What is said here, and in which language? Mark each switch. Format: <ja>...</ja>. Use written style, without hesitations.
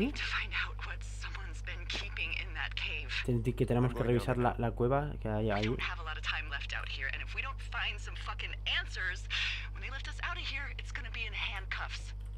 <en>We need to find out what someone's been keeping in that cave.</en> <es>Que tenemos que revisar la cueva que hay ahí.</es> <en>We don't have a lot of time left out here, and if we don't find some fucking answers, when they lift us out of here, it's gonna be in handcuffs.</en>